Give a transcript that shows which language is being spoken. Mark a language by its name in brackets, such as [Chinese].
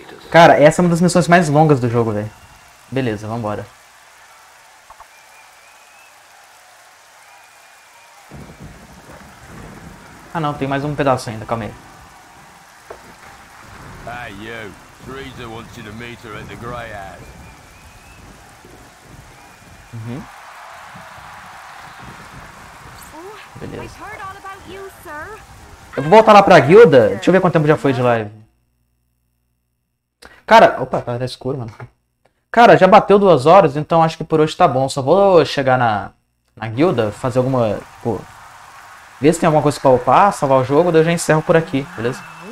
[Portuguese] Cara, essa é uma das missões mais longas do jogo, velho. Beleza, vambora. Ah não, tem mais um pedaço ainda, calma aí. [English] Hey you, Teresa wants you to meet her at the Grey House. [Portuguese] Beleza. [English] I've heard all about you, sir. [Portuguese] Eu vou voltar lá pra guilda? Deixa eu ver quanto tempo já foi de live. Cara, opa, tá escuro, mano. Cara, já bateu 2 horas, então acho que por hoje tá bom. Só vou chegar na guilda, fazer alguma... Pô. Ver se tem alguma coisa pra upar, salvar o jogo, daí eu já encerro por aqui, beleza?